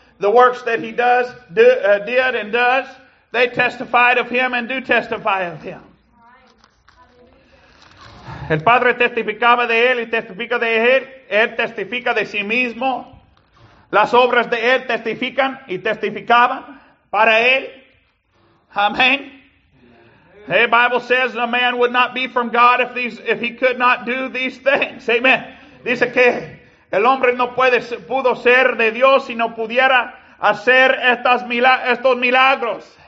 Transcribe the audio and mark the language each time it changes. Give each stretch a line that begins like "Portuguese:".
English: The works that he did and does, they testified of him and do testify of him.
Spanish: El Padre testificaba de Él y testifica de Él. Él testifica de sí mismo. Las obras de Él testifican y testificaban para Él. Amén.
English: The Bible says a man would not be from God if he could not do these things. Amen.
Spanish: Dice que El hombre no puede pudo ser de Dios si no pudiera hacer estos milagros.